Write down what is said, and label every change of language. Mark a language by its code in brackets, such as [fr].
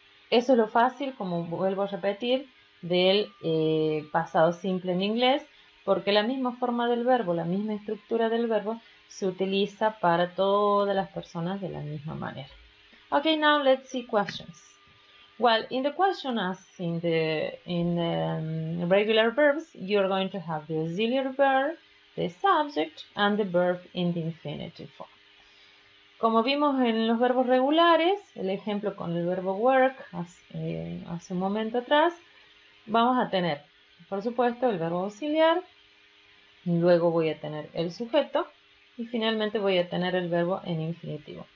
[es] Eso es lo fácil, como vuelvo a repetir, del pasado simple en inglés, porque la misma forma del verbo, la misma estructura del verbo, se utiliza para todas las personas de la misma manera. [en] Okay, now let's see questions. Well, in the question as in the regular verbs, you're going to have the auxiliary verb, the subject, and the verb in the infinitive form. [es] Como vimos en los verbos regulares, el ejemplo con el verbo work hace un momento atrás, vamos a tener, por supuesto, el verbo auxiliar, luego voy a tener el sujeto y finalmente voy a tener el verbo en infinitivo.